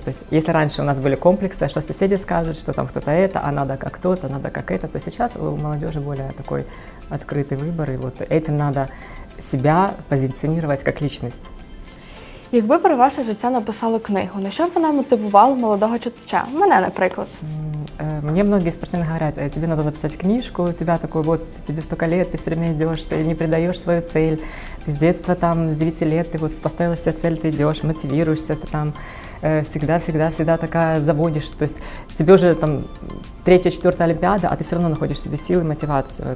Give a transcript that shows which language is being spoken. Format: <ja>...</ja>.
<ru>То есть если раньше у нас были комплексы, что соседи скажут, что там кто-то это, а надо как тот, а надо как это, то сейчас у молодежи более такой открытый выбор, и вот этим надо себя позиционировать как личность.</ru> <uk>Якби про ваше життя написали книгу, на що б вона мотивувала молодого читача? Мене, наприклад.</uk> <ru>Мне многие спортсмены говорят, тебе надо написать книжку, у тебя такой вот, тебе столько лет, ты все время идешь, ты не предаешь свою цель. Ты с детства там, с 9 лет, ты вот поставила себе цель, ты идешь, мотивируешься, ты там всегда такая заводишь. То есть тебе уже там третья, четвертая олимпиада, а ты все равно находишь в себе силы, мотивацию.</ru>